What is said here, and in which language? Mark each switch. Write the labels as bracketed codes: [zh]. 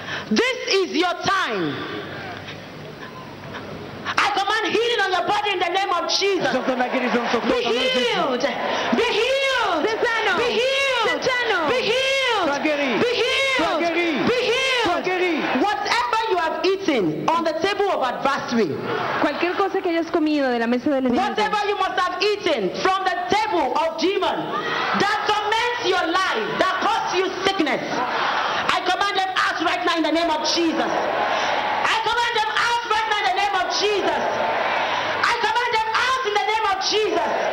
[en] This is your time. I command healing on your body in the name of Jesus. Be healed. Be healed. Be healed. Be healed. Be healed. Be healed. Be healed. Be healed. Be healed. Whatever you have eaten on the table of adversary, [es] cualquier cosa que hayas comido de la mesa del enemigo, [en] whatever you must have eaten from the table of demon, that your life that caused you sickness, I command them out right now in the name of Jesus. I command them out right now in the name of Jesus. I command them out in the name of Jesus.